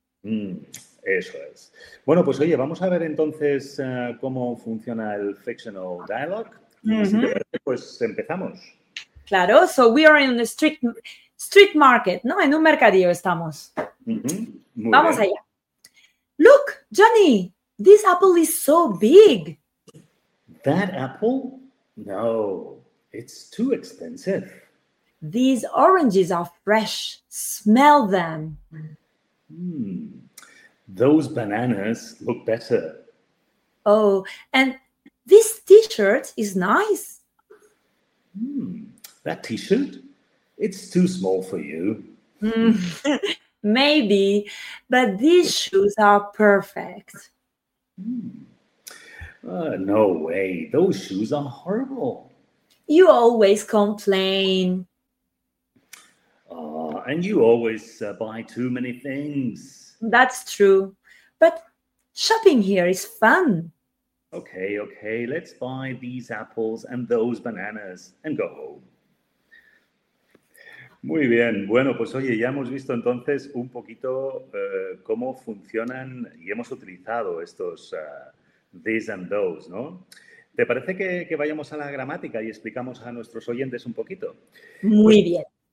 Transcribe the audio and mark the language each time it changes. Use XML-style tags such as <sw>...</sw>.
<es>Eso es. Bueno, pues oye, vamos a ver entonces cómo funciona el Fictional Dialogue. Pues empezamos.</es> <en>Claro, so we are in a street market, ¿no?</en> <es>En un mercadillo estamos. Vamos bien. Allá.</es> <en>Look, Johnny, this apple is so big. That apple? No, it's too expensive. These oranges are fresh. Smell them. Those bananas look better. Oh, and this t-shirt is nice. That t-shirt? It's too small for you. Maybe, but these shoes are perfect. No way. Those shoes are horrible. You always complain. And you always buy too many things. That's true. But shopping here is fun. Okay, let's buy these apples and those bananas and go home.</en> <es>Muy bien. Bueno, pues oye, ya hemos visto entonces un poquito cómo funcionan y hemos utilizado estos these and those, ¿no? ¿Te parece que vayamos a la gramática y explicamos a nuestros oyentes un poquito? Muy bien.</es>